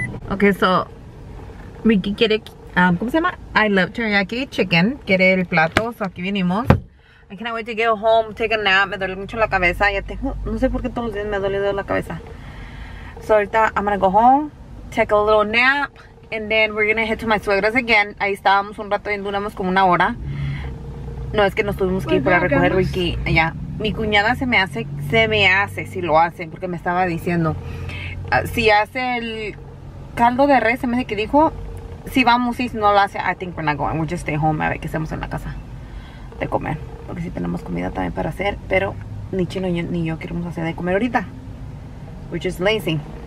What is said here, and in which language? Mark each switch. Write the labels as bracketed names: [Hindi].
[Spanish] Ok, so Ricky quiere, ¿cómo se llama? [English] I love teriyaki chicken. [Spanish] Quiere el plato, so aquí vinimos. [English] I cannot wait to get home, take a nap. [Spanish] Me duele mucho la cabeza, ya tengo, no sé por qué todos los días me duele la cabeza. [English] So ahorita I'm gonna go home, take a little nap. And then we're gonna head to my suegra's again. [Spanish] Ahí estábamos un rato y duramos como una hora. No, es que nos tuvimos que ir para recoger Ricky allá. Mi cuñada se me hace si lo hacen, porque me estaba diciendo si hace el caldo de res, se me hace que dijo si vamos y si no lo hace, [English] I think we're not going, we'll just stay home, [Spanish] a ver qué hacemos en la casa de comer, porque si tenemos comida también para hacer, pero ni Chino ni yo queremos hacer de comer ahorita, [English] we're just lazy.